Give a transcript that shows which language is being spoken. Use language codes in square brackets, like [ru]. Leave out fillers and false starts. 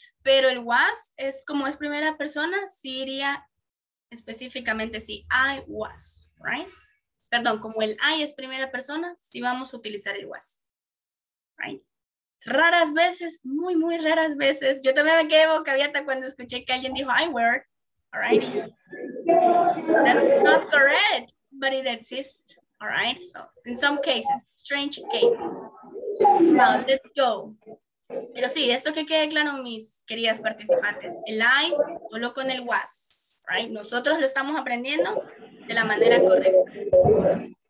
[es] Pero el was es como es primera persona, sí iría específicamente sí, [en] I was, right? [es] Perdón, como el I es primera persona, sí vamos a utilizar el was, right? Raras veces, muy, muy raras veces, yo también me quedé boca abierta cuando escuché que alguien dijo [en] I were, all right? That's not correct, but it exists, all right? So, in some cases, strange cases. Now, let's go. [es] Pero sí, esto que quede claro, mis queridas participantes, el I solo con el was, right? Nosotros lo estamos aprendiendo de la manera correcta.